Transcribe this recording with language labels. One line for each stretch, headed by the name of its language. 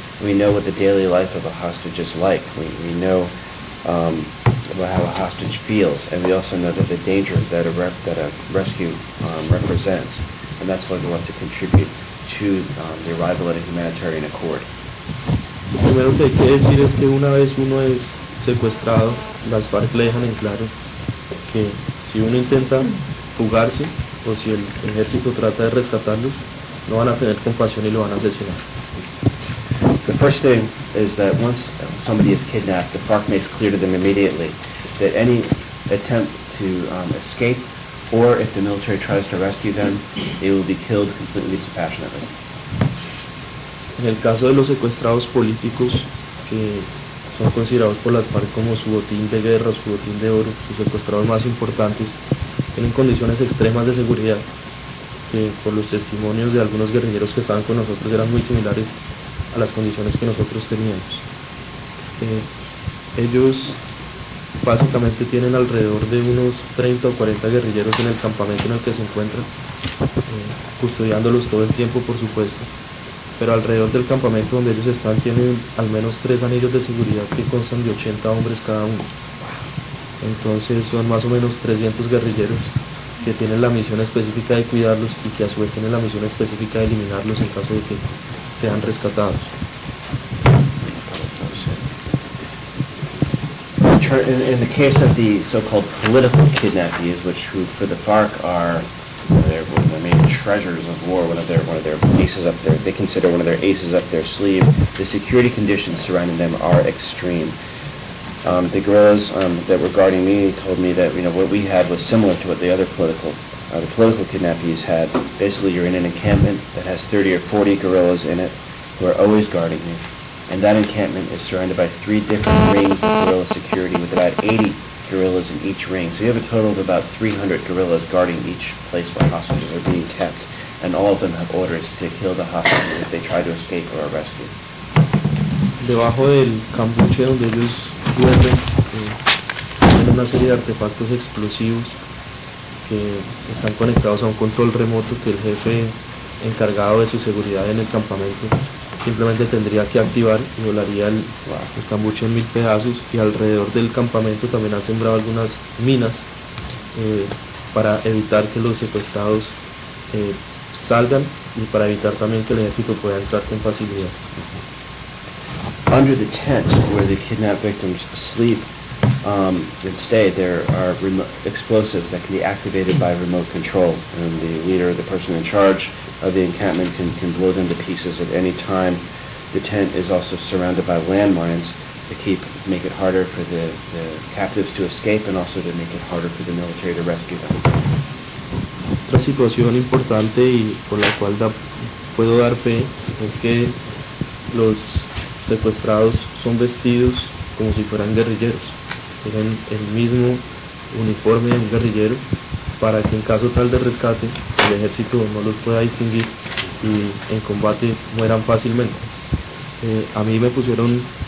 English: We know what the daily life of a hostage is like. We know how a hostage feels, and we also know that the danger that a rescue represents, and that's why we want to contribute to the arrival at a humanitarian accord.
Spanish: Primero que hay que decir es que una vez uno es secuestrado, las FARC le dejan en claro que si uno intenta fugarse o si el ejército trata de rescatarlos, no van a tener compasión y lo van a asesinar.
English: The first thing is that once somebody is kidnapped, the FARC makes clear to them immediately that any attempt to escape, or if the military tries to rescue them, they will be killed completely dispassionately.
Spanish: En el caso de los secuestrados políticos, que son considerados por las FARC como su botín de guerra, su botín de oro, sus secuestrados más importantes, tienen condiciones extremas de seguridad, que por los testimonios de algunos guerrilleros que estaban con nosotros eran muy similares a las condiciones que nosotros teníamos. Ellos básicamente tienen alrededor de unos 30 o 40 guerrilleros en el campamento en el que se encuentran, custodiándolos todo el tiempo, por supuesto, pero alrededor del campamento donde ellos están tienen al menos 3 anillos de seguridad que constan de 80 hombres cada uno. Entonces son más o menos 300 guerrilleros que tienen la misión específica de cuidarlos y que a su vez tienen la misión específica de eliminarlos en caso de que sean rescatados.
English: In the case of the so-called political kidnappees, which for the FARC are one of their main treasures of war, one of their aces up there, they consider one of their aces up their sleeve, the security conditions surrounding them are extreme. The guerrillas that were guarding me told me that, you know, what we had was similar to what the other political kidnappees had. Basically, you're in an encampment that has 30 or 40 guerrillas in it who are always guarding you. And that encampment is surrounded by 3 different rings of guerrilla security with about 80 guerrillas in each ring. So you have a total of about 300 guerrillas guarding each place where hostages are being kept. And all of them have orders to kill the hostages if they try to escape or are rescued.
Spanish: Debajo del cambuche donde ellos duermen, tienen una serie de artefactos explosivos que están conectados a un control remoto que el jefe encargado de su seguridad en el campamento simplemente tendría que activar y volaría el cambuche en 1000 pedazos. Y alrededor del campamento también han sembrado algunas minas para evitar que los secuestrados salgan y para evitar también que el ejército pueda entrar con facilidad.
English: Under the tent where the kidnapped victims sleep and stay, there are explosives that can be activated by remote control, and the leader, the person in charge of the encampment, can blow them to pieces at any time. The tent is also surrounded by landmines to make it harder for the captives to escape, and also to make it harder for the military to rescue them.
Spanish: Otra situación importante y por la cual puedo dar fe es que los secuestrados son vestidos como si fueran guerrilleros. Tienen el mismo uniforme de un guerrillero para que en caso tal de rescate el ejército no los pueda distinguir y en combate mueran fácilmente. A mí me pusieron